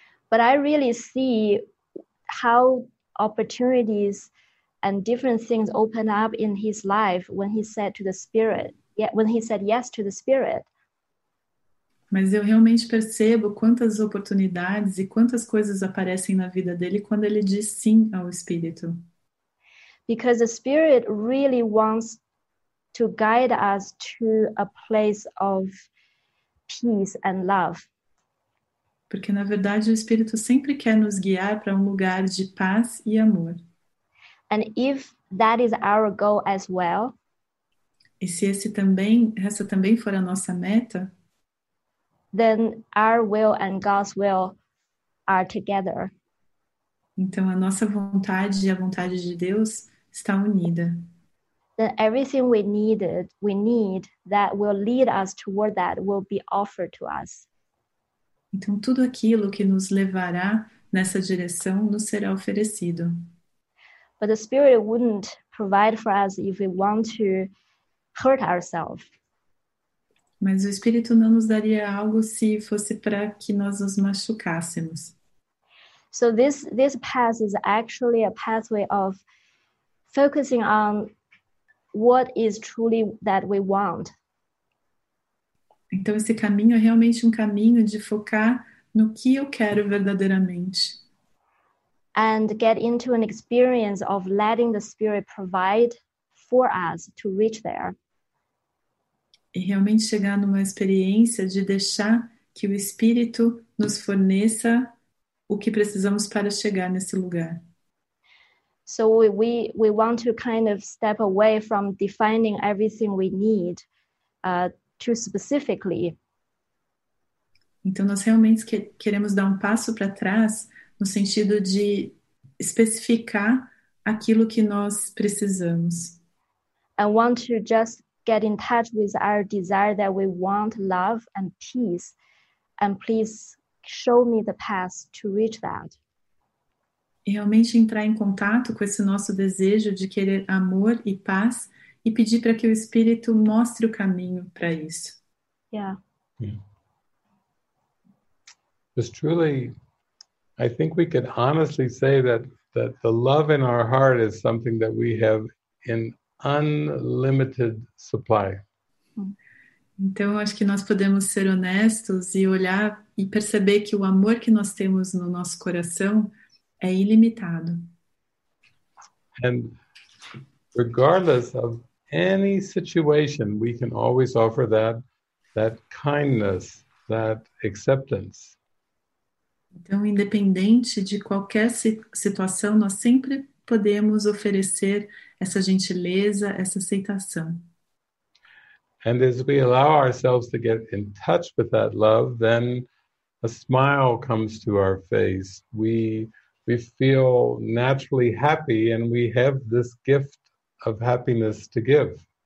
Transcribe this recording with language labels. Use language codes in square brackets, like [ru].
[en] But I really see how opportunities and different things open up in his life when he said to the Spirit, when he said yes to the Spirit. [pt] Mas eu realmente percebo quantas oportunidades e quantas coisas aparecem na vida dele quando ele diz sim ao Espírito. [en] Because the Spirit really wants to guide us to a place of peace and love. [pt] Porque, na verdade, o Espírito sempre quer nos guiar para um lugar de paz e amor. [en] And if that is our goal as well, [pt] e se essa também for a nossa meta, [en] then our will and God's will are together. [pt] Então, a nossa vontade e a vontade de Deus está unida. [en] Then everything we need that will lead us toward that will be offered to us. [pt] Então, tudo aquilo que nos levará nessa direção nos será oferecido. [en] But the Spirit wouldn't provide for us if we want to hurt ourselves. [pt] Mas o Espírito não nos daria algo se fosse para que nós nos machucássemos. [en] So this path is actually a pathway of focusing on what is truly that we want. [pt] Então esse caminho é realmente um caminho de focar no que eu quero verdadeiramente. [en] And get into an experience of letting the Spirit provide for us to reach there. [pt] E realmente chegar numa experiência de deixar que o Espírito nos forneça o que precisamos para chegar nesse lugar. [en] So we want to kind of step away from defining everything we need too specifically. [pt] Então nós realmente queremos dar um passo para trás no sentido de especificar aquilo que nós precisamos. [en] I want to just get in touch with our desire that we want love and peace, and please show me the path to reach that. [pt] Realmente entrar em contato com esse nosso desejo de querer amor e paz e pedir para que o Espírito mostre o caminho para isso. [en] Yeah. Because truly, I think we could honestly say that the love in our heart is something that we have in unlimited supply. [pt] Então, acho que nós podemos ser honestos e olhar e perceber que o amor que nós temos no nosso coração é ilimitado. [en] And regardless of any situation, we can always offer that kindness, that acceptance. [pt] Então, independente de qualquer situação, nós sempre podemos oferecer essa gentileza, essa aceitação. [en] And as we allow ourselves to get in touch with that love, then a smile comes to our face. We feel naturally happy and we have this gift of happiness to give.